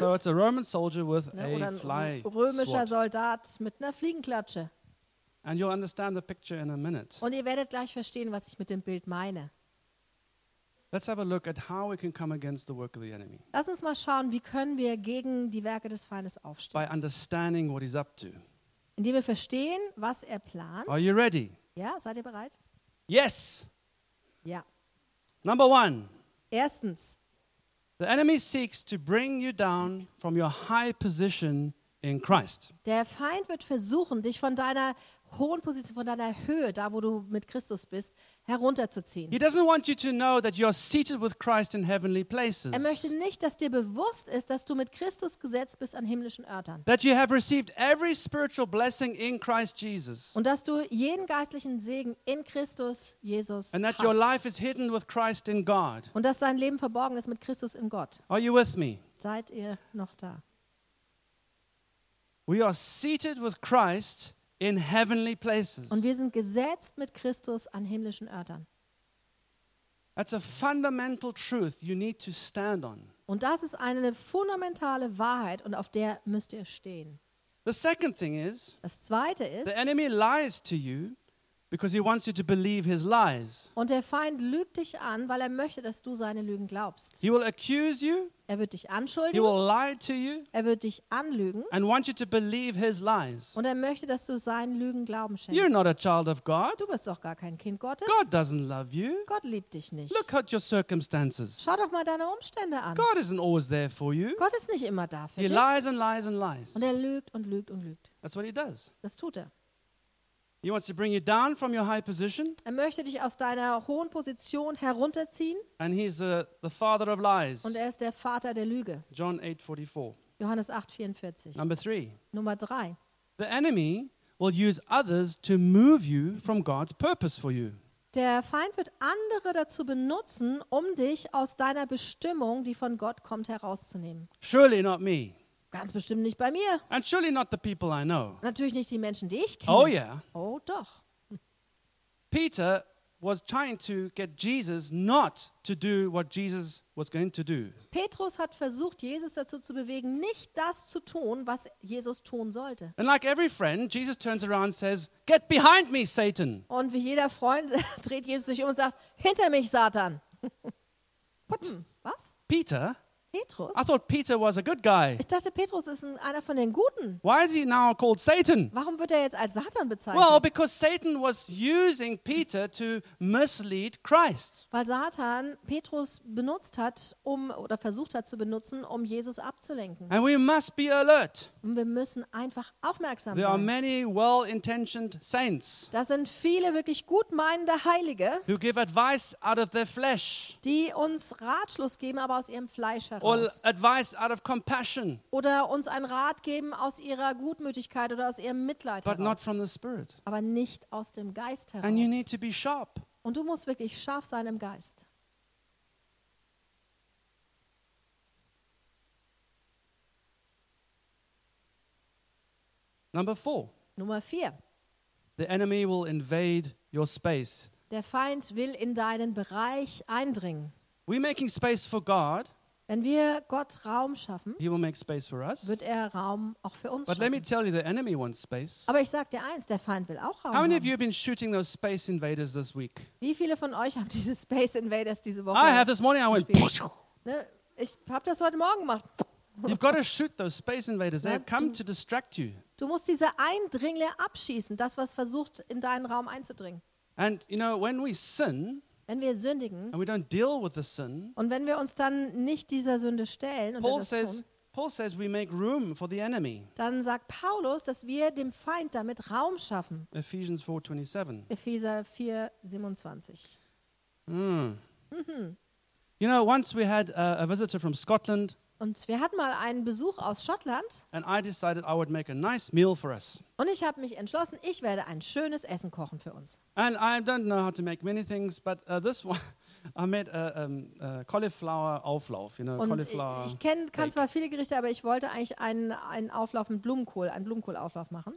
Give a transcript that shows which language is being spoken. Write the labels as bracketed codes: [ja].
[en] So it's a Roman soldier with a fly [de] swat. Römischer Soldat mit einer Fliegenklatsche. [en] And you'll understand the picture in a minute. [de] Und ihr werdet gleich verstehen, was ich mit dem Bild meine. [en] Let's have a look at how we can come against the work of the enemy. [de] Lass uns mal schauen, wie können wir gegen die Werke des Feindes aufstehen. [en] By understanding what he's up to. [de] Indem wir verstehen, was er plant. [en] Are you ready? [de] Ja, seid ihr bereit? [en] Yes. [de] Ja. [en] Number one. [de] Erstens. [en] The enemy seeks to bring you down from your high position in Christ. [de] Der Feind wird versuchen, dich von deiner hohen Position, von deiner Höhe, da wo du mit Christus bist, herunterzuziehen. [en] He doesn't want you to know that you're seated with Christ in heavenly places. [de] Er möchte nicht, dass dir bewusst ist, dass du mit Christus gesetzt bist an himmlischen Örtern. [en] That you have received every spiritual blessing in Christ Jesus. [de] Und dass du jeden geistlichen Segen in Christus Jesus hast. [en] And that your life is hidden with Christ in God. [de] Und dass dein Leben verborgen ist mit Christus in Gott. [en] Are you with me? [de] Seid ihr noch da? [en] We are seated with Christ in heavenly places. [de] Und wir sind gesetzt mit Christus an himmlischen Örtern. [en] That's a fundamental truth you need to stand on. [de] Und das ist eine fundamentale Wahrheit und auf der müsst ihr stehen. [en] The second thing is, [de] das zweite ist, [en] the enemy lies to you because he wants you to believe his lies. [de] Und der Feind lügt dich an, weil er möchte, dass du seine Lügen glaubst. [en] He will accuse you. [de] Er wird dich anschuldigen. [en] He will lie to you. [de] Er wird dich anlügen. [en] And want you to believe his lies. [de] Und er möchte, dass du seinen Lügen Glauben schenkst. [en] You're not a child of God. [de] Du bist doch gar kein Kind Gottes. [en] God doesn't love you. [de] Gott liebt dich nicht. [en] Look at your circumstances. [de] Schau doch mal deine Umstände an. [en] God isn't always there for you. [de] Gott ist nicht immer da für [en] dich. He lies and lies and lies. [de] Und er lügt und lügt und lügt. [en] That's what he does. [de] Das tut er. [en] He wants to bring you down from your high position. [de] Er möchte dich aus deiner hohen Position herunterziehen. [en] And he's the father of lies. [de] Und er ist der Vater der Lüge. [en] John 8:44. [de] Johannes 8:44. [en] Number 3. [de] Nummer 3. [en] The enemy will use others to move you from God's purpose for you. [de] Der Feind wird andere dazu benutzen, um dich aus deiner Bestimmung, die von Gott kommt, herauszunehmen. [en] Surely not me. [de] Ganz bestimmt nicht bei mir. [en] And surely not the people I know. [de] Natürlich nicht die Menschen, die ich kenne. [en] Oh yeah. [de] Oh doch. [en] Peter was trying to get Jesus not to do what Jesus was going to do. [de] Petrus hat versucht, Jesus dazu zu bewegen, nicht das zu tun, was Jesus tun sollte. [en] And like every friend, Jesus turns around and says, "Get behind me, Satan." [de] Und wie jeder Freund dreht Jesus sich um und sagt, "Hinter mich, Satan." [en] What? [de] Was? [en] Peter? [de] Petrus. [en] I thought Peter was a good guy. [de] Ich dachte, Petrus ist einer von den Guten. [en] Why is he now called Satan? [de] Warum wird er jetzt als Satan bezeichnet? [en] Well, because Satan was using Peter to mislead Christ. [de] Weil Satan Petrus benutzt hat, um oder versucht hat zu benutzen, um Jesus abzulenken. [en] And we must be alert. [de] Und wir müssen einfach aufmerksam [en] There [de] sein. [en] There are many well-intentioned saints. [de] Da sind viele wirklich gut meinende Heilige. [en] Who give advice out of their flesh. [de] Die uns Ratschluss geben, aber aus ihrem Fleisch heraus. [en] Or advice out of compassion. [de] Oder uns einen Rat geben aus ihrer Gutmütigkeit oder aus ihrem Mitleid [en] But [de] heraus. [en] Not from the Spirit. [de] Aber nicht aus dem Geist heraus. [en] And you need to be sharp. [de] Und du musst wirklich scharf sein im Geist. Nummer 4. [en] The enemy will invade your space. [de] Der Feind will in deinen Bereich eindringen. [en] We're making space for God. [de] Wenn wir Gott Raum schaffen, [en] He will make space for us. [de] Wird er Raum auch für uns [en] But [de] schaffen. [en] Let me tell you, the enemy wants space. [de] Aber ich sag dir eins, der Feind will auch Raum [en] How many [de] haben. [en] Of you have been shooting those space invaders this week? [de] Wie viele von euch haben diese Space Invaders diese Woche [en] I have this morning I went [de] ne? Ich habe das heute Morgen gemacht. [en] You've got to shoot those space invaders. They have come to distract you. [de] Du musst diese Eindringlinge abschießen, das, was versucht, in deinen Raum einzudringen. [en] And you know, when we sin, [de] wenn wir sündigen [en] and we don't deal with the sin, [de] und wenn wir uns dann nicht dieser Sünde stellen, [en] Paul says we make room for the enemy. [de] Dann sagt Paulus, dass wir dem Feind damit Raum schaffen. [en] Ephesians 4:27. [de] Epheser 4:27. [en] You know, once we had a visitor from Scotland. [de] Und wir hatten mal einen Besuch aus Schottland. [en] And I decided I would make a nice meal for us. [de] Und ich habe mich entschlossen, ich werde ein schönes Essen kochen für uns. [en] And I don't know how to make many things, but this one I made a cauliflower Auflauf, you know, [de] Und [en] cauliflower. [de] Ich kann zwar viele Gerichte, aber ich wollte eigentlich einen Auflauf mit Blumenkohl, einen Blumenkohlauflauf machen.